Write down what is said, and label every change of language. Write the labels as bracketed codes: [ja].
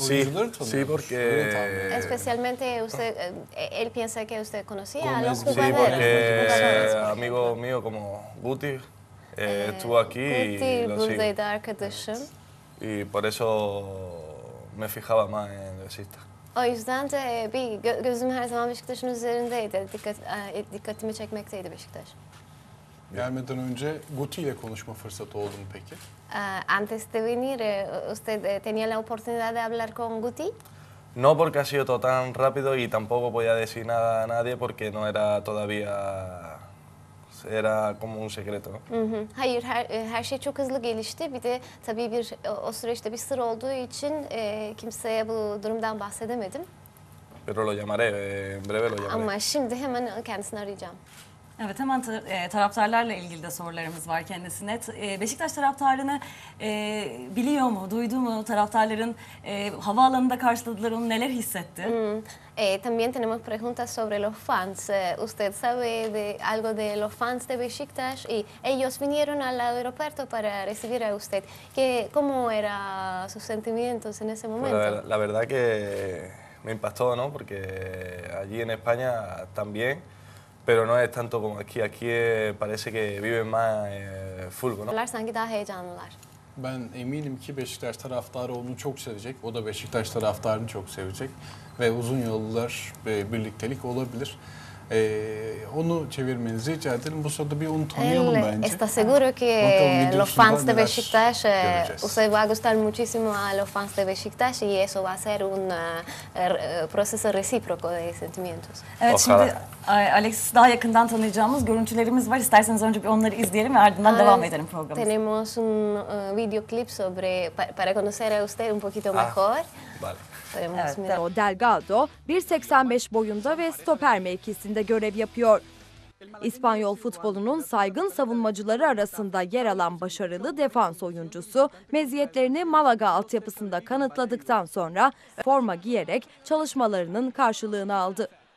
[es] Sí, sí, porque especialmente usted él piensa que usted conocía a los jugadores. Sí, porque amigo mío como Guti estuvo aquí Guti, y lo buradaydı sigo. Arkadaşım. Y por eso me fijaba más en Beşiktaş. [tr] O yüzden de bir gözüm her zaman Beşiktaş'ın üzerindeydi. Dikkatimi çekmekteydi Beşiktaş. Gelmeden önce Guti ile konuşma fırsatı oldu mu peki? [es] Antes de venir, usted tenía la oportunidad de hablar con Guti? No, porque ha sido todo tan rápido y tampoco podía decir nada a nadie porque no era todavía... Era como un secreto. [tr] Hayır, her şey çok hızlı gelişti. Bir de tabii bir o süreçte bir sır olduğu için kimseye bu durumdan bahsedemedim. [es] Pero lo llamaré, en breve lo llamaré. [tr] Ama şimdi hemen kendisini arayacağım. Evet, hemen taraftarlarla ilgili de sorularımız var kendisine. Beşiktaş taraftarını biliyor mu, duydu mu? Taraftarların havaalanında karşıladılar, onu neler hissetti? [es] También tenemos preguntas sobre los fans. ¿Usted sabe de algo de los fans de Beşiktaş? Y ellos vinieron al aeropuerto para recibir a usted. ¿Cómo eran sus sentimientos en ese momento? Pues la verdad que me impactó, ¿no? Porque allí en España también... Pero no es tanto como aquí. Aquí parece que viven más fútbol, ¿no? [tr] Sanki daha heyecanlılar. Ben eminim ki Beşiktaş taraftarı onu çok sevecek. O da Beşiktaş taraftarını çok sevecek. Ve uzun yollar birliktelik olabilir. Onu çevirmenizi rica ederim. Bu sırada bir onu tanıyalım bence. [es] Está seguro que los fans de Beşiktaş, usted va a gustar muchísimo a los fans de Beşiktaş y eso va a ser un proceso recíproco de sentimientos. [tr] Evet, şimdi Alexis'i daha yakından tanıyacağımız görüntülerimiz var. İsterseniz önce bir onları izleyelim ve ardından devam edelim programımız. [es] Tenemos un videoclip sobre para conocer a usted un poquito mejor. Vale. [tr] Evet, o Delgado 1.85 boyunda ve stoper mevkisinde görev yapıyor. İspanyol futbolunun saygın savunmacıları arasında yer alan başarılı defans oyuncusu, meziyetlerini Malaga altyapısında kanıtladıktan sonra forma giyerek çalışmalarının karşılığını aldı.